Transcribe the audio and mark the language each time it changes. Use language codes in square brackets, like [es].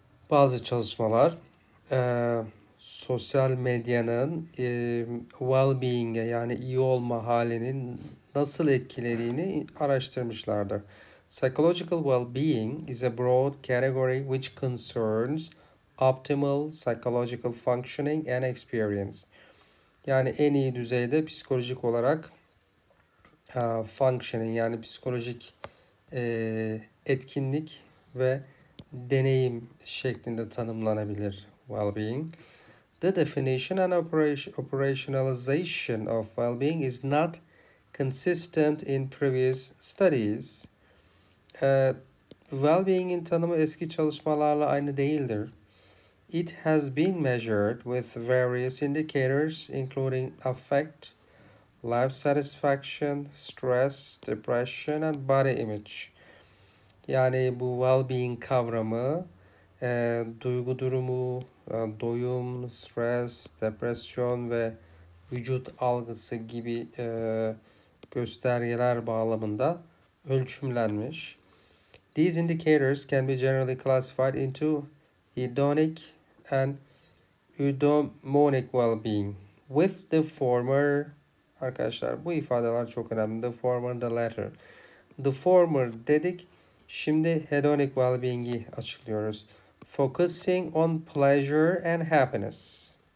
[tr] Bazı çalışmalar sosyal medyanın well-being'e yani iyi olma halinin nasıl etkilediğini araştırmışlardır. [en] Psychological well-being is a broad category which concerns optimal psychological functioning and experience. [tr] Yani en iyi düzeyde psikolojik olarak functioning yani psikolojik etkinlik ve deneyim şeklinde tanımlanabilir well-being. [en] The definition and operationalization of well-being is not consistent in previous studies. [tr] Well-being'in tanımı eski çalışmalarla aynı değildir. [en] It has been measured with various indicators, including affect, life satisfaction, stress, depression and body image. [tr] Yani bu well-being kavramı duygu durumu, doyum, stres, depresyon ve vücut algısı gibi göstergeler bağlamında ölçümlenmiş. [en] These indicators can be generally classified into hedonic and eudaimonic well-being. With the former, [tr] arkadaşlar bu ifadeler çok önemli. [en] The former, the latter. The former [tr] dedik. Şimdi hedonic well-being'i açıklıyoruz. [en] Focusing on pleasure and happiness.